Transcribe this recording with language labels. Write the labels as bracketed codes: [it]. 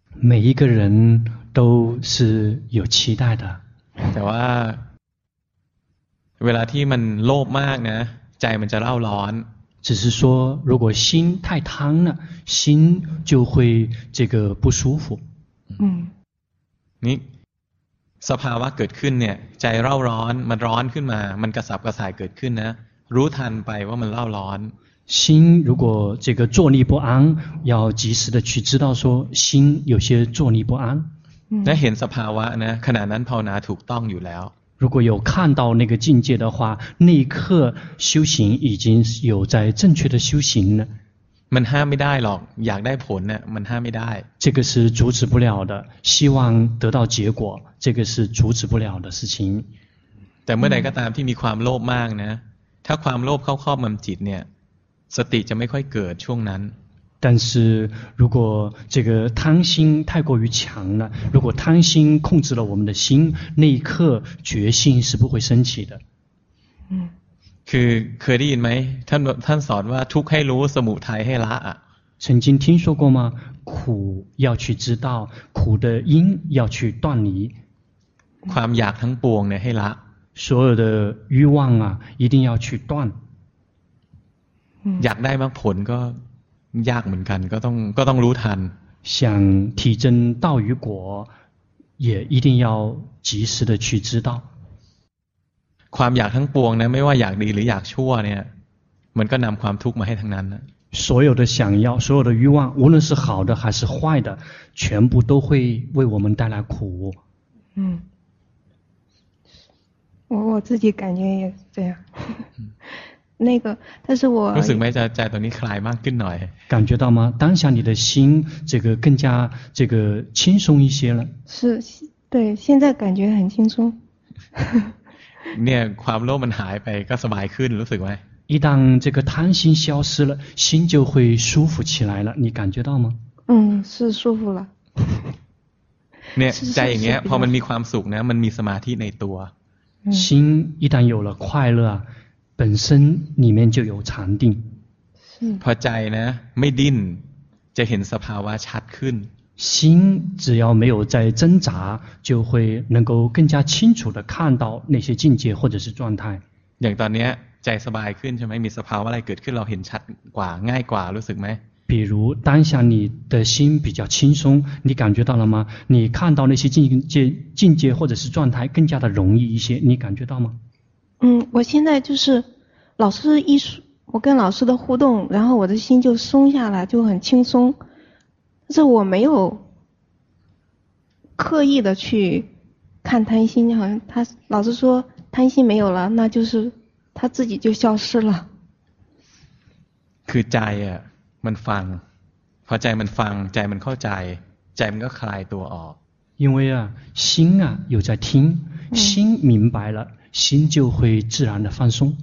[zh] 每一个人都是有期待的 [th] แต่ว่าเวลาที่มันโลภมากนะใจมันจะเล่าร้อน [zh] 只是说如果心太贪了心就会这个不舒服 [th] นี่สภาวะเกิดขึ้นเนี่ยใจเล่าร้อนมันร้อนขึ้นมามันกระสับกระส่ายเกิดขึ้นนะรู้ทันไปว่ามันเล่าร้อน [zh] 心如果这个坐立不安要及时的去知道说心有些坐立不安 [th] 那เห็นสภาวะนะขณะนั้นภาวนาถูกต้องอยู่แล้ว [zh] 如果有看到那个境界的话那一刻修行已经有在正确的修行 [th] มันห้ามไม่ได้หรอกอยากได้ผลเนี่ยมันห้ามไม่ได้ [zh] 这个是阻止不了的希望得到结果这个是阻止不了的事情 [th] แต่เมื่อใดก็ตามที่มีความโลภมากนะถ้าความโลภเข้าครอบมันจิตเนี่ยสติจะไม่ค่อยเกิดช่วงนั้น [zh] 但是如果这个贪心太过于强了如果贪心控制了我们的心那一刻决心是不会升起的 [th] คือเคยได้ยินไหมท่านสอนว่าทุกข์ให้รู้สมุทัยให้ละ [zh] 曾经听说过吗苦要去知道苦的因要去断离 [th] ความอยากทั้งปวงเนี่ยให้ละ [zh] 所有的欲望啊一定要去断 [th] อยากได้มากผลก็ยากเหมือนกันก็ต้องรู้ทัน [zh] 想提真道与果也一定要及时的去知道 ความอยากทั้งปวงนะไม่ว่าอยากดีหรืออยากชั่วเนี่ยมันก็นำความทุกข์มาให้ทั้งนั้นนะ 所有的想要所有的欲望无论是好的还是坏的全部都会为我们带来苦我自己感觉也这样那个但是我 [th] รู้สึกไหมใจตอนนี้คลายมากขึ้นหน่อย [zh] 感觉到吗当下你的心这个更加这个轻松一些了是对现在感觉很轻松 [th] เนี่ยความโลภมันหายไปก็สบายขึ้นรู้สึกไหม [zh] 一旦这个贪心消失了心就会舒服起来了你感觉到吗是舒服了 [th] เนี่ยใจอย่างเงี้ยพอมันมีความสุขนะมันมีสมาธิในตัว [zh] 心一旦有了快乐本身里面就有禅定 [th] พอใจนะไม่ดิ้นจะเห็นสภาวะชัดขึ้น [zh] 心只要没有在挣扎就会能够更加清楚的看到那些境界或者是状态 [th] อย่างตอนนี้ใจสบายขึ้นใช่ไหมมีสภาวะอะไรเกิดขึ้นเราเห็นชัดกว่าง่ายกว่ารู้สึกไหม [zh] 比如当下你的心比较轻松你感觉到了吗你看到那些境界或者是状态更加的容易一些你感觉到吗我现在就是老师一说我跟老师的互动然后我的心就松下来就很轻松但是我没有刻意的去看贪心好像他老师说贪心没有了那就是他自己就消失了 [th] คือใจอ่ะมันฟังพอใจมันฟังใจมันเข้าใจใจมันก็คลายตัวออก [zh] 因为啊心啊有在听心明白了心就会自然的放松